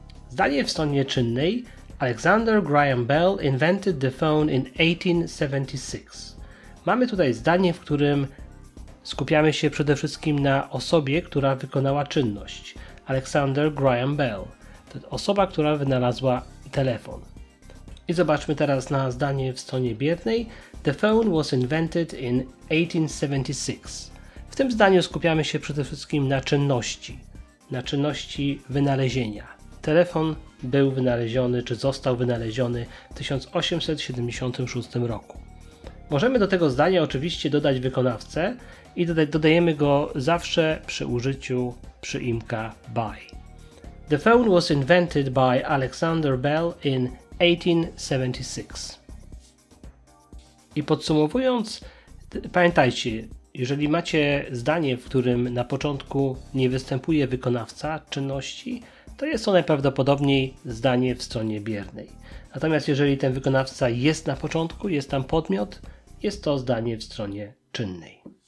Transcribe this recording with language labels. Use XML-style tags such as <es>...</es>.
<pl>Zdanie w stonie czynnej:</pl> <en>Alexander Graham Bell invented the phone in 1876.</en> <pl>Mamy tutaj zdanie, w którym skupiamy się przede wszystkim na osobie, która wykonała czynność. Alexander Graham Bell, to osoba, która wynalazła telefon. I zobaczmy teraz na zdanie w stonie biernej.</pl> <en>The phone was invented in 1876.</en> <pl>W tym zdaniu skupiamy się przede wszystkim na czynności wynalezienia. Telefon był wynaleziony, czy został wynaleziony w 1876 roku. Możemy do tego zdania oczywiście dodać wykonawcę i dodajemy go zawsze przy użyciu przyimka by.</pl> <en>The phone was invented by Alexander Bell in 1876.</en> <pl>I podsumowując, pamiętajcie, jeżeli macie zdanie, w którym na początku nie występuje wykonawca czynności, to jest to najprawdopodobniej zdanie w stronie biernej. Natomiast jeżeli ten wykonawca jest na początku, jest tam podmiot, jest to zdanie w stronie czynnej.</pl>